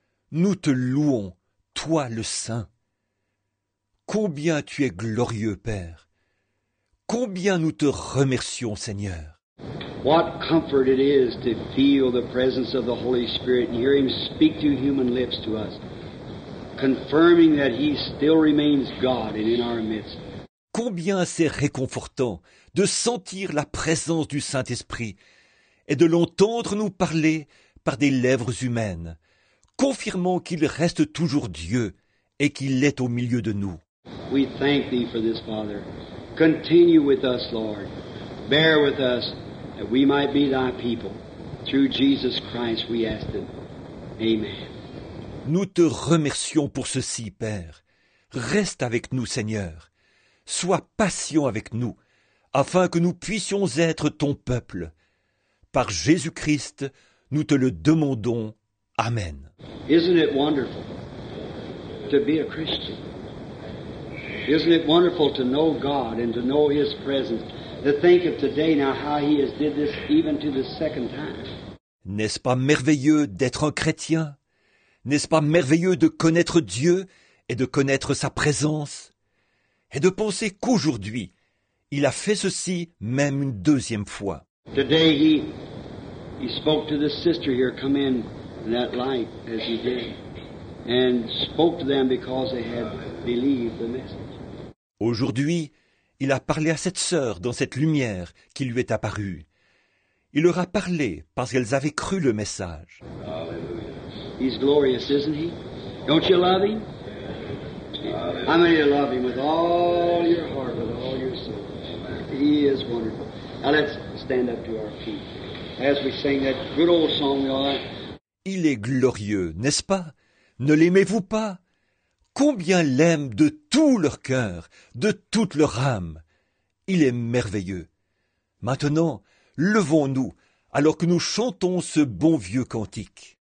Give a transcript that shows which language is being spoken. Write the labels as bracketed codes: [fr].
[fr] Nous te louons, toi le Saint. Combien tu es glorieux, Père. Combien nous te remercions, Seigneur. [en] What comfort it is to feel the presence of the Holy Spirit and hear Him speak through human lips to us, confirming that He still remains God and in our midst. [fr] Combien c'est réconfortant de sentir la présence du Saint-Esprit et de l'entendre nous parler par des lèvres humaines, confirmant qu'il reste toujours Dieu et qu'il est au milieu de nous. [en] We thank thee for this, Father. Continue with us, Lord. Bear with us, that we might be thy people. Through Jesus Christ, we ask it. Amen. [fr] Nous te remercions pour ceci, Père. Reste avec nous, Seigneur. Sois patient avec nous, afin que nous puissions être ton peuple. Par Jésus-Christ, nous te le demandons. Amen. [en] Isn't it wonderful to be a Christian? Isn't it wonderful to know God and to know His presence? To think of today now how He has did this even to the second time. [fr] N'est-ce pas merveilleux d'être un chrétien? N'est-ce pas merveilleux de connaître Dieu et de connaître sa présence? Et de penser qu'aujourd'hui, il a fait ceci même une deuxième fois. [en] Today he spoke to the sister here, come in that light as he did, and spoke to them because they had believed the message. [fr] Aujourd'hui, il a parlé à cette sœur dans cette lumière qui lui est apparue. Il leur a parlé parce qu'elles avaient cru le message. [en] Hallelujah. He's glorious, isn't he? Don't you love him? How many love him with all your heart, with all your soul? He is wonderful. Now let's stand up to our feet as we sing that good old song. [fr] Il est glorieux, n'est-ce pas? Ne l'aimez-vous pas? Combien l'aiment de tout leur cœur, de toute leur âme. Il est merveilleux. Maintenant, levons-nous alors que nous chantons ce bon vieux cantique.